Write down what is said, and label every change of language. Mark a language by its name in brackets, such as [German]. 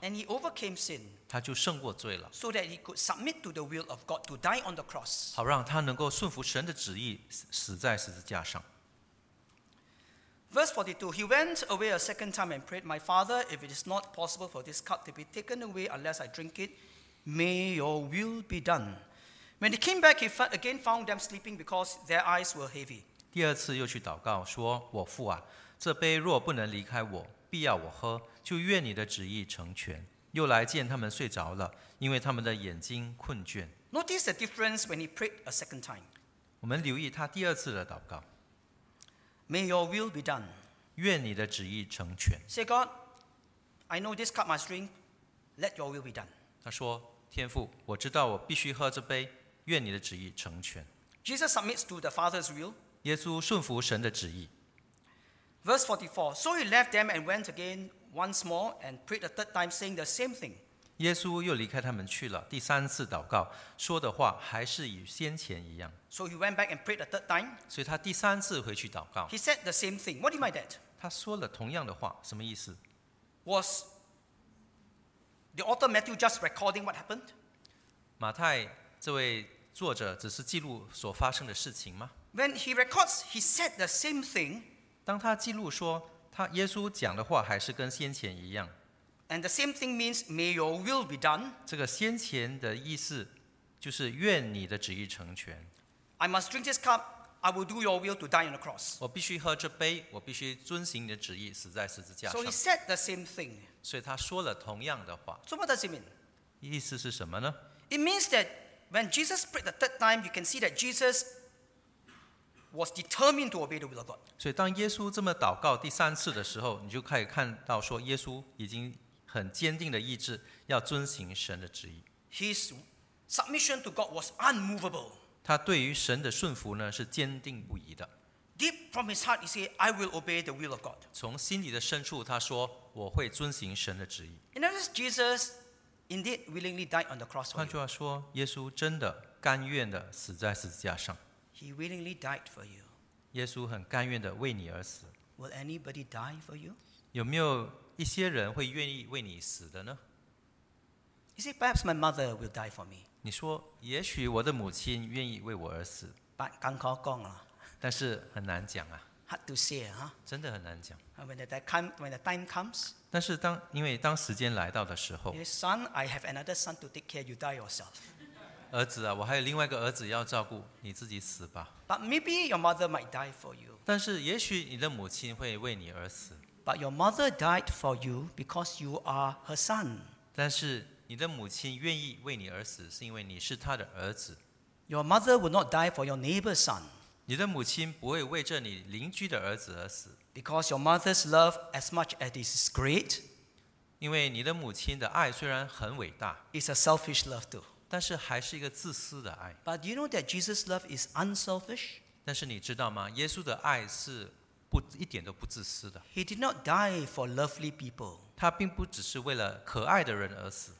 [English] and he overcame sin, [Chinese] 他就胜过罪了 [English] so that he could submit to the will of God to die on the cross [Chinese] 好让他能够顺服神的旨意死在十字架上 [English] Verse 42 He went away a second time and prayed My Father, if it is not possible for this cup to be taken away unless I drink it May your will be done When he came back, he again found them sleeping because their eyes were heavy [Chinese] 第二次又去祷告说我父啊这杯若不能离开我必要我喝，就愿你的旨意成全。又来见他们睡着了，因为他们的眼睛困倦。 [English] Notice the difference when he prayed a second time. [Chinese] 我们留意他第二次的祷告。 [English] May your will be done. [Chinese] 愿你的旨意成全。 [English] Say God, I know this cup must drink. Let your will be done. [Chinese] 他说：天父，我知道我必须喝这杯，愿你的旨意成全。 [English] Jesus submits to the Father's will. [Chinese] 耶稣顺服神的旨意。 [English] Verse 44, so he left them and went again once more and prayed a third time, saying the same thing. [Chinese] 耶稣又离开他们去了，第三次祷告，说的话还是与先前一样。 [English] So he went back and prayed a third time. [Chinese] 所以他第三次回去祷告。 [English] He said the same thing. What do you mean by that? [Chinese] 他说了同样的话，什么意思？ [English] Was the author Matthew just recording what happened? [Chinese] 马太这位作者只是记录所发生的事情吗？ [English] When he records, he said the same thing. [Chinese] 当他记录说，他耶稣讲的话还是跟先前一样。 [English] And the same thing means may your will be done. [Chinese] 这个先前的意思就是愿你的旨意成全。 [English] I must drink this cup. I will do your will to die on the cross. [Chinese] 我必须喝这杯，我必须遵行你的旨意，死在十字架上。 [English] So he said the same thing. [Chinese] 所以他说了同样的话。 [English] So what does it mean? [Chinese] 意思是什么呢 [English] ？It means that when Jesus prayed the third time, you can see that Jesus. Was determined to obey the will of God. [Chinese] 所以当耶稣这么祷告第三次的时候，你就可以看到说，耶稣已经很坚定的意志要遵行神的旨意。 [English] His submission to God was unmovable. [Chinese] 他对于神的顺服呢是坚定不移的。 [English] Deep from his heart, he said, "I will obey the will of God." [Chinese] 从心里的深处，他说我会遵行神的旨意。 [English] In other words, Jesus indeed willingly died on the cross. [Chinese] 换句话说，耶稣真的甘愿的死在十字架上。 [English] He willingly died for you. [Chinese] 耶稣很甘愿的为你而死。 [English] Will anybody die for you? [Chinese] 有没有一些人会愿意为你死的呢？ [English] He said, "Perhaps my mother will die for me." [Chinese] 你说，也许我的母亲愿意为我而死。 But 刚好讲了。但是很难讲啊。 [English] Hard to say, huh? [Chinese] 真的很难讲。 [English] When the time comes. [Chinese] 但是因为当时间来到的时候。 [English] Yes, son, I have another son to take care. You die yourself. [Chinese] 儿子啊，我还有另外一个儿子要照顾，你自己死吧。 [English] But maybe your mother might die for you. [Chinese] 但是也许你的母亲会为你而死。 [English] But your mother died for you because you are her son. [Chinese] 但是你的母亲愿意为你而死，是因为你是她的儿子。 [English] Your mother would not die for your neighbor's son. [Chinese] 你的母亲不会为着你邻居的儿子而死。 [English] Because your mother's love, as much as it is great, [Chinese] 因为你的母亲的爱虽然很伟大 [English] is a selfish love too. [Chinese] 但是还是一个自私的爱。 [English] But you know that Jesus' love is unselfish? [Chinese] 但是你知道吗？耶稣的爱是不一点都不自私的。 [English] He did not die for lovely people. [Chinese] 他并不只是为了可爱的人而死。